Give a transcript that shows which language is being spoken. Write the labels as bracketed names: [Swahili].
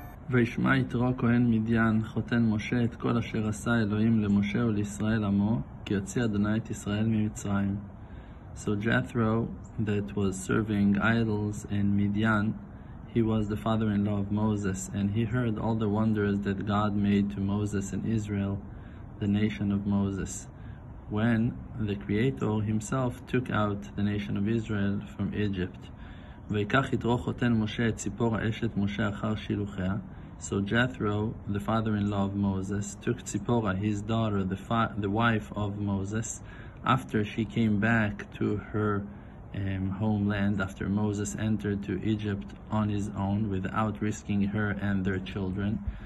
[Hebrew] וישמע יתרו כהן מדיין, חותן משה, את כל אשר עשה אלוהים למשה ולישראל עמו, כי יוציא אדוני את ישראל ממצרים. [English] So Jethro, that was serving idols in Midian, he was the father-in-law of Moses, and he heard all the wonders that God made to Moses and Israel, the nation of Moses, when the Creator himself took out the nation of Israel from Egypt. [Hebrew] ויקח יתרו חותן משה את ציפור האשת משה אחר שילוחיה. [English] So Jethro, the father-in-law of Moses, took Zipporah, his daughter, the wife of Moses, after she came back to her homeland, after Moses entered to Egypt on his own without risking her and their children.